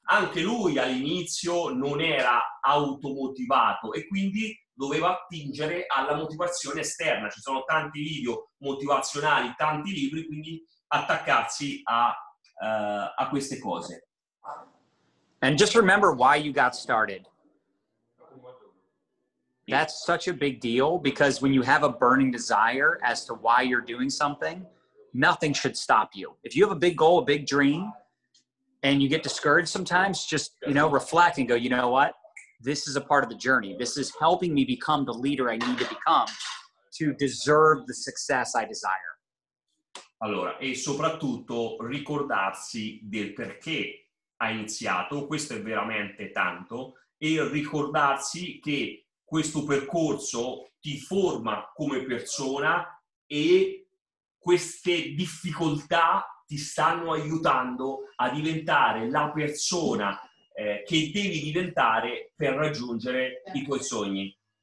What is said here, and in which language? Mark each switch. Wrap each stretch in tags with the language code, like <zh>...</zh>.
<it>Anche lui all'inizio non era automotivato e quindi doveva attingere alla motivazione esterna. Ci sono tanti video motivazionali, tanti libri, quindi attaccarsi a queste cose.</it> <en>And just remember why you got started. That's such a big deal, because when you have a burning desire as to why you're doing something, nothing should stop you. If you have a big goal, a big dream, and you get discouraged sometimes, just, you know, reflect and go, you know what? This is a part of the journey. This is helping me become the leader I need to become to deserve the success I desire.</en> <it>Allora, e soprattutto ricordarsi del perché ha iniziato, questo è veramente tanto, e ricordarsi che questo percorso ti forma come persona e queste difficoltà ti stanno aiutando a diventare la persona che devi diventare per raggiungere i tuoi sogni.</it>